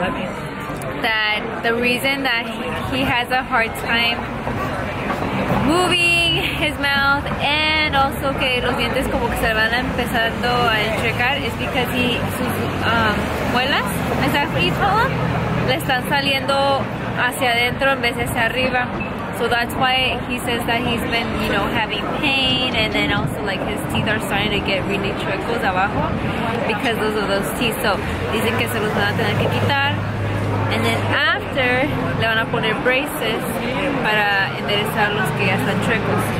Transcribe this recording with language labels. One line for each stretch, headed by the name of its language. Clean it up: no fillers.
English: That the reason that he has a hard time moving his mouth and also
Spanish: que los dientes como que se van empezando a enchecar
English: is because he,
Spanish: sus muelas,
English: is that what you call them?
Spanish: Le están saliendo hacia adentro en vez de hacia arriba.
English: So that's why he says that he's been, you know, having pain, and then also like his teeth are starting to get really chuecos abajo because of those teeth.
Spanish: So dicen que se los van a tener que quitar,
English: and then after
Spanish: le van a poner braces para enderezar los que ya están chuecos.